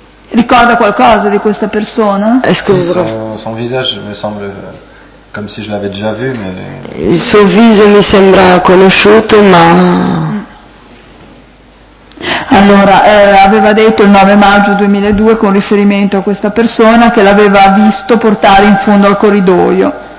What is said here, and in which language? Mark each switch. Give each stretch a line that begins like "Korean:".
Italian: Ricorda qualcosa di questa persona?
French: Est-ce que son visage me semble Come si je l'avais déjà vu, mais...
Italian: Il suo viso mi sembra conosciuto, ma... Allora, aveva detto il 9 maggio 2002 con riferimento a questa persona che l'aveva visto portare in fondo al corridoio.